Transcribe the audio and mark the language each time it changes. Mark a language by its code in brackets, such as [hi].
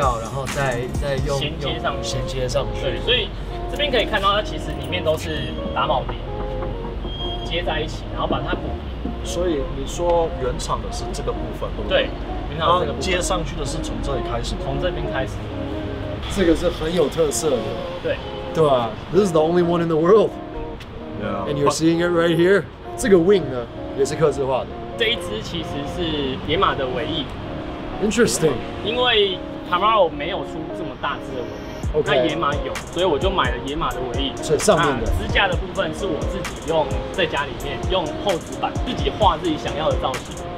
[zh] 然后再用衔接上去。对，所以这边可以看到，它其实里面都是打铆钉接在一起，然后把它补。所以你说原厂的是这个部分，对不对？然后接上去的是从这里开始，从这边开始。这个是很有特色的。对。对啊 [en] ，This is the only one in the world. Yeah. And you're seeing it right here. [zh] 这个 wing 呢，也是客制化的。这一支其实是野马的尾翼。 [en] Interesting. [zh] 因为 Camaro 没有出这么大只的尾翼，那野马有，所以我就买了野马的尾翼。是上面的。支架的部分是我自己用在家里面用厚纸板自己画自己想要的造型。